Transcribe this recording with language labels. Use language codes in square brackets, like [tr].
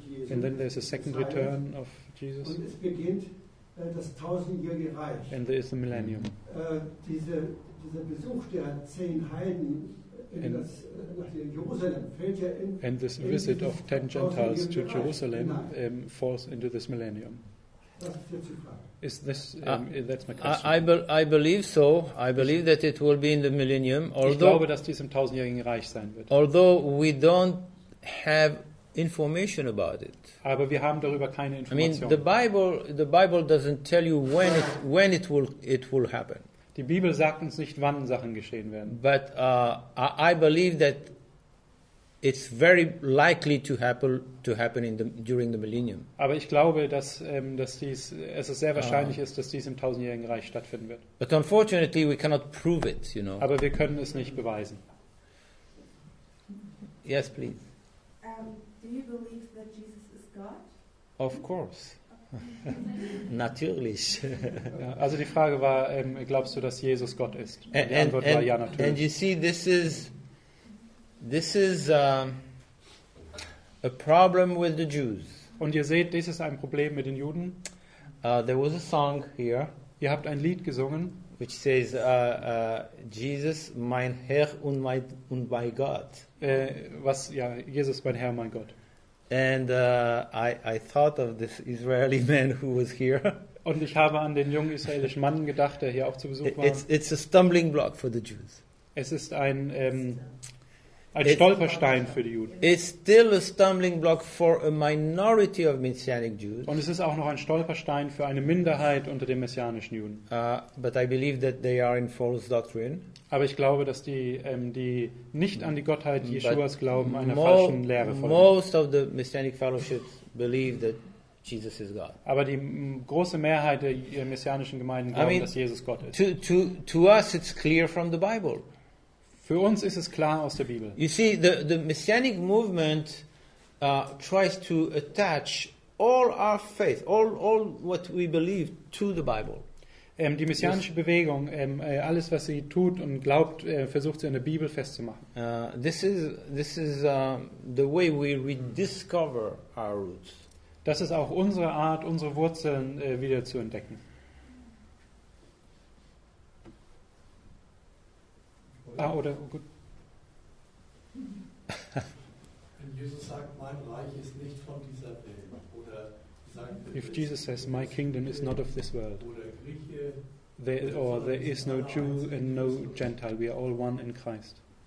[en] And then there's a second return of Jesus. [de] das tausendjährige Reich. [en] And there is the millennium. [de] Dieser Besuch der zehn Heiden nach Jerusalem fällt ja in. [en] And this visit of ten Gentiles to Jerusalem falls into this millennium. Is this that's my question. I believe so. I believe that it will be in the millennium. Although, [de] ich glaube, dass dies im tausendjährigen Reich sein wird. [en] Although we don't have information about it. [de] Aber wir haben darüber keine Information. [en] I mean, the Bible doesn't tell you when it will happen. [de] Die Bibel sagt uns nicht, wann Sachen geschehen werden. [en] But I believe that it's very likely to happen during the millennium. [de] Aber ich glaube, dass es sehr wahrscheinlich ist, dass dies im tausendjährigen Reich stattfinden wird. [en] But unfortunately, we cannot prove it, you know. [de] Aber wir können es nicht beweisen. [en] Yes, please. Do you believe that Jesus is God? Of course. [de] Natürlich. Also die Frage war, glaubst du, dass Jesus Gott ist? Die Antwort war ja, natürlich. [en] And you see, this is a problem with the Jews. [de] Und ihr seht, dies ist ein Problem mit den Juden. [en] There was a song here. [de] Ihr habt ein Lied gesungen, [en] which says, [de] Jesus, mein Herr und mein Gott. Jesus, mein Herr, mein Gott. [en] And I thought of this Israeli man who was here. [de] Und ich habe an den jungen israelischen Mann gedacht, der hier auch zu Besuch war. [en] It's a stumbling block for the Jews. [de] Es ist ein Ein Stolperstein für die Juden. [en] It's still a stumbling block for a minority of messianic Jews. [de] Und es ist auch noch ein Stolperstein für eine Minderheit unter den messianischen Juden. [en] But I believe that they are in false doctrine. [de] Aber ich glaube, dass die nicht an die Gottheit Jeschuas glauben, einer falschen Lehre folgen. [en] Most of the messianic fellowships believe that Jesus is God. [de] Aber die große Mehrheit der messianischen Gemeinden glauben, dass Jesus Gott ist. [en] To us it's clear from the Bible. [de] Für uns ist es klar aus der Bibel. [en] You see, the messianic movement tries to attach all our faith, all what we believe, to the Bible. [de] Die messianische Bewegung, alles was sie tut und glaubt, versucht sie in der Bibel festzumachen. [en] This is the way we rediscover our roots. [de] Das ist auch unsere Art, unsere Wurzeln wieder zu entdecken. Wenn Jesus sagt, mein Reich ist nicht von dieser Welt, oder [en] if Jesus says, my kingdom is not of this world, [de] oder Grieche, [en] there, or there is no Jew and no Gentile, we are all one in Christ.